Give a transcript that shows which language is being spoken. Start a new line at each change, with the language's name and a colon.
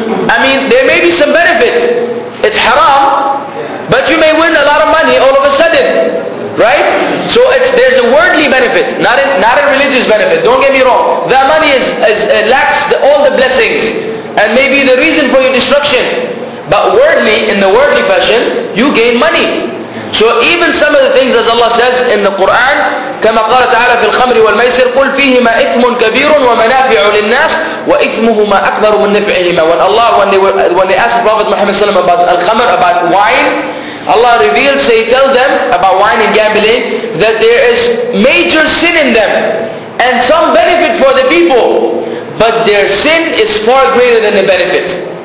English: I mean, there may be some benefit. It's haram, but you may win a lot of money all of a sudden, right? So there's a worldly benefit, not a religious benefit. Don't get me wrong. That money lacks all the blessings and may be the reason for your destruction. But worldly, in the worldly fashion, you gain money. So even some of the things, as Allah says in the Quran,
Arabic: كما قال تعالى في الخمر والميسر قل فيهما إثم كبير ومنافع للناس وإثمهما أكبر من نفعهما.
English: When Allah, when they asked the Prophet Muhammad صلى الله عليه وسلم about الخمر, about wine, Allah revealed, say, tell them about wine and gambling, that there is major sin in them and some benefit for the people, but their sin is far greater than the benefit.